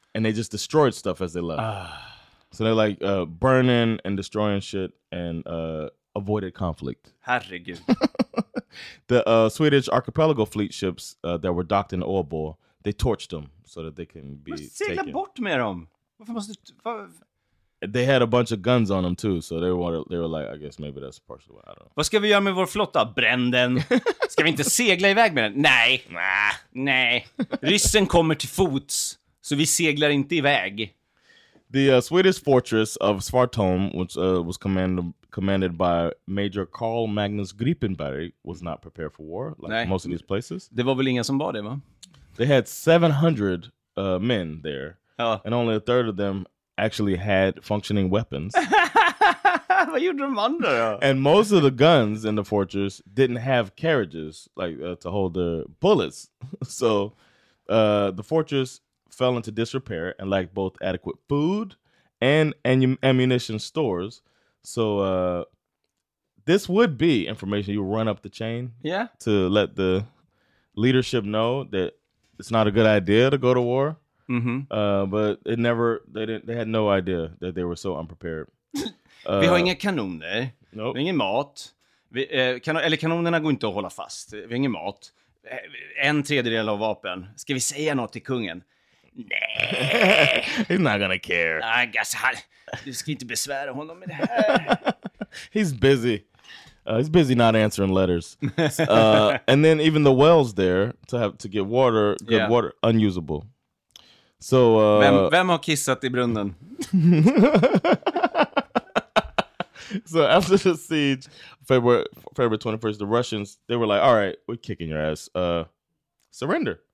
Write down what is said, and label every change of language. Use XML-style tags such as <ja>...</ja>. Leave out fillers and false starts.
<en>And they just destroyed stuff as they left. So they're like burning and destroying shit and avoided conflict.</en> <sv>Herregud.</sv> <en>The Swedish archipelago fleet ships that were docked in Åbo, they torched them so that they can be taken.</en> <sv>Segla bort med dem. Varför måste</sv> <en>They had a bunch of guns on them too, so they were like, I guess maybe that's partially why, I don't know.</en> <sv>Vad ska vi göra med vår flotta? Bränn den. Ska vi inte segla iväg med den? Nej. Nej. Ryssen kommer till fots, så vi seglar inte iväg.</sv> <en>The Swedish fortress of Svartholm, which was commanded by Major Carl Magnus Gripenberg, was not prepared for war, like Nej. Most of these places.</en> <sv>Det var väl ingen som bad det, va?</sv> <en>They had 700 men there, and only a third of them actually had functioning weapons.</en> <sv>Vad gjorde de andra då?</sv> <en>And most of the guns in the fortress didn't have carriages, like, to hold their bullets. So, the fortress fell into disrepair and lacked both adequate food and ammunition stores. So this would be information you run up the chain to let the leadership know that it's not a good idea to go to war. Mm-hmm. But it never, they had no idea that they were so unprepared.</en> <sv>Vi har inga kanoner.</sv> <en>Nope.</en> <sv>Vi har ingen mat. Eller kanonerna går inte att hålla fast. Vi har ingen mat. En tredjedel av vapen. Ska vi säga något till kungen? Nej.</sv> <en>He's not gonna care. I guess</en> <sv>du ska inte besvära honom med det här.</sv> <en>He's busy. He's busy not answering letters. And then even the wells there to get water, good water, unusable. So</en> <sv>vem har kissat i brunnen?</sv> <en>So after the siege, February 21st, the Russians, they were like, "All right, we're kicking your ass. Surrender."</en>